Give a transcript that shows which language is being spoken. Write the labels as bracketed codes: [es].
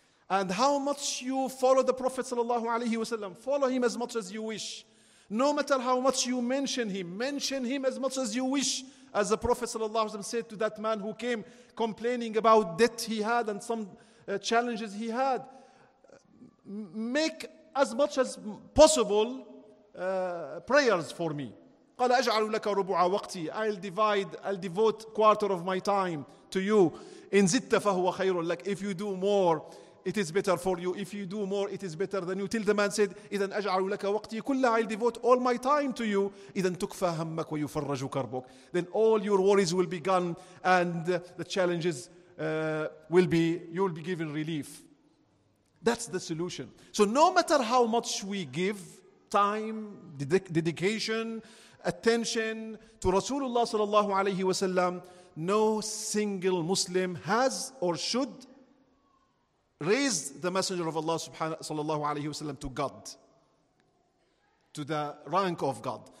[en] and how much you follow the Prophet sallallahu alayhi wa sallam, follow him as much as you wish, no matter how much you mention him as much as you wish, as the Prophet sallallahu alayhi wa sallam said to that man who came complaining about debt he had and some challenges he had, make as much as possible prayers for me. [ar] قال أجعل لك ربع وقتي. [en] I'll devote quarter of my time to you. [ar] إن زدت فهو خير لك. [en] If you do more, it is better for you. If you do more, it is better than you. Till the man said, [ar] إذن أجعل لك وقتي كله. [en] I'll devote all my time to you. [ar] إذن تكفى همك ويفرج كربك. [en] Then all your worries will be gone and the challenges will be given relief. That's the solution. So no matter how much we give time, dedication, attention to Rasulullah sallallahu alayhi wa sallam, no single Muslim has or should raise the Messenger of Allah sallallahu alayhi wa sallam to God, to the rank of God.